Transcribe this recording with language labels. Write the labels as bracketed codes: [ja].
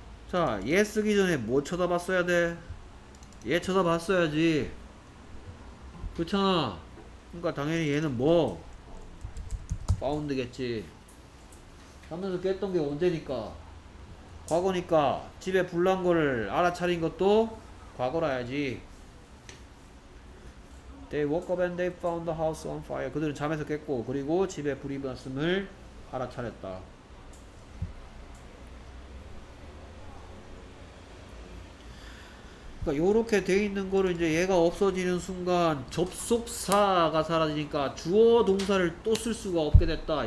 [ko] 자, 얘 쓰기 전에 뭐 쳐다봤어야 돼? 얘 쳐다봤어야지. 그렇잖아. 그러니까 당연히 얘는 뭐? found겠지. 잠에서 깼던 게 언제니까? 과거니까 집에 불난 거를 알아차린 것도 과거라야지. [en] They woke up and they found the house on fire. [ko] 그들은 잠에서 깼고 그리고 집에 불이 났음을 알아차렸다. 그러니까 요렇게 돼 있는 거를 이제 얘가 없어지는 순간 접속사가 사라지니까 주어 동사를 또 쓸 수가 없게 됐다.